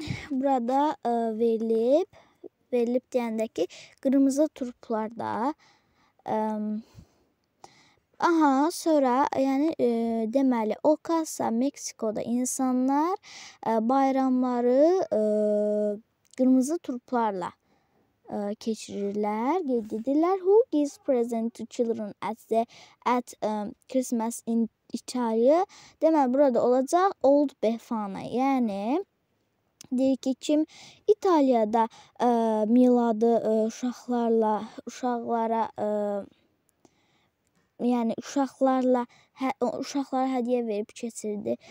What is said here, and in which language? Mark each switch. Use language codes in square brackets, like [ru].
[az] Burada verilib deyəndə ki, qırmızı turplar da. Aha, sonra, yəni, deməli, Oaxaca, Meksikoda insanlar bayramları qırmızı turplarla keçirirlər, qeyd edirlər. [en] Who gives present to children at Christmas in Italy? [az] Deməli, burada olacaq Old Befana. Yəni, deyir ki, kim İtaliyada miladı uşaqlarla, uşaqlara, yəni uşaqlarla, uşaqlara hədiyə verib keçirdi.